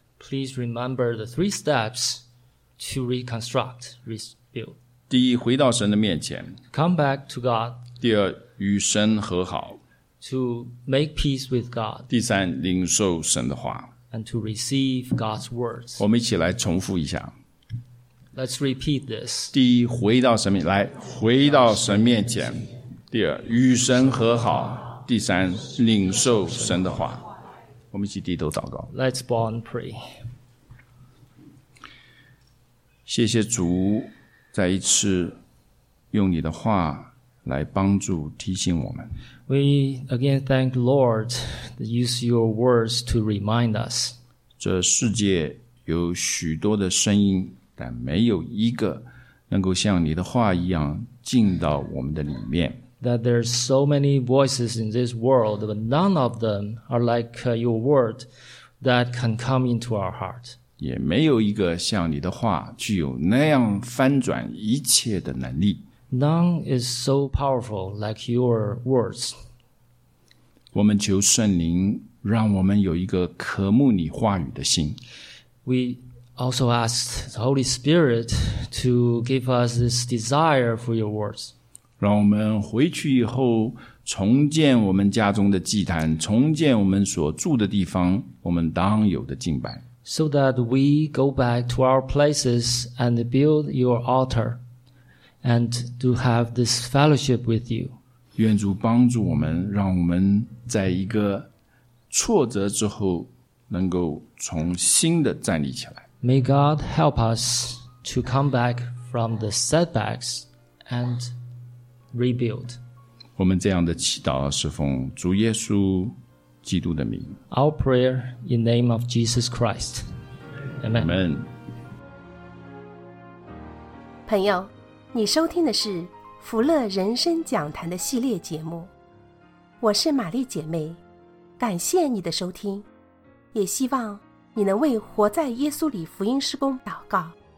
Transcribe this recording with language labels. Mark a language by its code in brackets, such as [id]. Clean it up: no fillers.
[en] Please remember the three steps to reconstruct, rebuild [zh] 第一回到神的面前 [en] Come back to God [zh] 第二与神和好 [en] To make peace with God [zh] 第三领受神的话 [en] and to receive God's words. [zh] 我们一起来重复一下。 [en] Let's repeat this. [zh] 第一，回到神面，来，回到神面前。第二，与神和好。第三，领受神的话。我们一起低头祷告。 [en] Let's bow and pray. [zh] 谢谢主，再一次用你的话来帮助提醒我们。 [en] We again thank the Lord that use your words to remind us. [zh] 这世界有许多的声音，但没有一个能够像你的话一样进到我们的里面。 [en] That there are so many voices in this world, but none of them are like your word that can come into our heart. [zh] 也没有一个像你的话具有那样翻转一切的能力。 [en] None is so powerful like your words. [zh] 我们求圣灵让我们有一个渴慕你话语的心。 [en] We also ask the Holy Spirit to give us this desire for your words. [zh] 让我们回去以后重建我们家中的祭坛，重建我们所住的地方，我们当有的敬拜。 [en] So that we go back to our places and build your altar. And to have this fellowship with you. [zh] 愿主帮助我们，让我们在一个挫折之后能够重新的站立起来。 [en] May God help us to come back from the setbacks and rebuild. [zh] 我们这样的祈祷是奉主耶稣基督的名。 [en] Our prayer in name of Jesus Christ. Amen. Amen. [zh] 朋友，你收听的是福乐人生讲坛的系列节目，我是玛丽姐妹，感谢你的收听，也希望你能为活在耶稣里福音施工祷告。